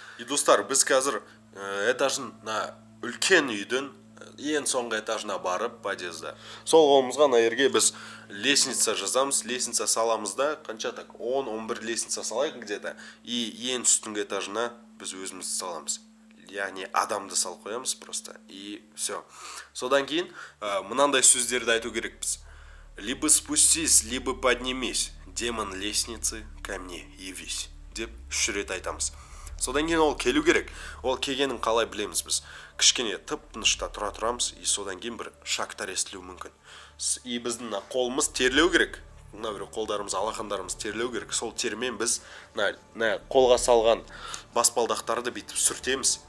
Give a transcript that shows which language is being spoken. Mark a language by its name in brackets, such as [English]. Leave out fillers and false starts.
[Kazakh] И достар, біз қазір этажына үлкен үйдің ең соңғы этажына барып подъезда. Сол қолымызға наерге біз лестница жазамыз, лестница саламыз да, қанша так, 10-11 лестница салайық где-то. И ең үстіңгі этажына біз өзіміз саламыз. Яғни адамды салып қоямыз просто. [Russian] И все. [Kazakh] Содан кейін мынандай сөздерді айту керекпіз. [Russian] Либо спустись, либо поднимись, демон лестницы ко мне явись, [Kazakh] деп үш рет айтамыз. Содан кейін ол келу керек. Ол келгенін қалай білеміз біз? Кішкене тып-тынышта тұра-тұрамыз, и содан кейін бір шақтар естілуі мүмкін. И біздің қолымыз терлеу керек. Мына бір қолдарымыз, алақандарымыз терлеу керек. Сол термен біз мына қолға салған баспалдақтарды бүйтіп сүртеміз.